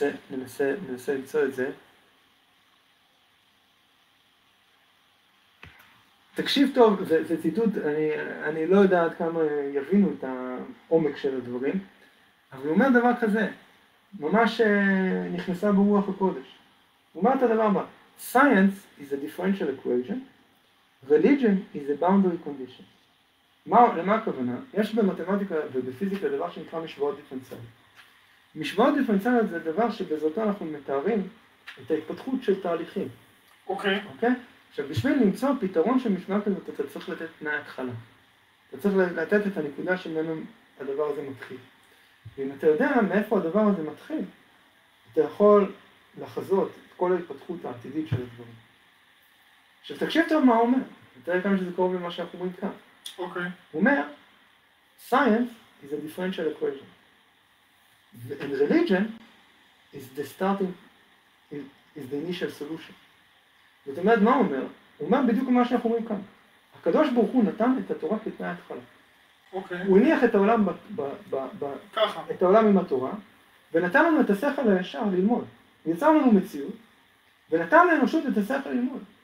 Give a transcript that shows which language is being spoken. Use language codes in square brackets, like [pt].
[he] ננסה למצוא את זה. תקשיב טוב, זה ציטוט, אני לא יודע עד כמה יבינו את העומק של הדברים, אבל הוא אומר דבר כזה, ממש נכנסה ברוח הקודש. הוא אומר את הדבר הבא, [en] Science is a differential equation, Religion is a boundary condition. [he] למה הכוונה? יש במתמטיקה ובפיזיקה דבר שנקרא משוואות דיפרנציאליות. משוואות דיפרנציאליות זה דבר שבעזרתו אנחנו מתארים את ההתפתחות של תהליכים. אוקיי. אוקיי? עכשיו, בשביל למצוא פתרון של משוואה כזאת, אתה צריך לתת תנאי התחלה. אתה צריך לתת את הנקודה שממנו הדבר הזה מתחיל. ואם אתה יודע מאיפה הדבר הזה מתחיל, אתה יכול לחזות את כל ההתפתחות העתידית של הדברים. עכשיו, תקשיב טוב מה הוא אומר. אתה יודע כמה שזה קרוב למה שאנחנו אומרים כאן. אוקיי. הוא אומר, [en] science is a differential equation. And religion is the starting, is the initial solution. [he] זאת אומרת, מה הוא אומר? הוא אומר בדיוק מה שאנחנו רואים כאן. הקדוש ברוך הוא נתן את התורה כתנאי התחלה. אוקיי. הוא הניח את העולם, ככה. את העולם עם התורה, ונתן לנו את השכל הישר ללמוד. יצר לנו מציאות, ונתן לאנושות את השכל ללמוד.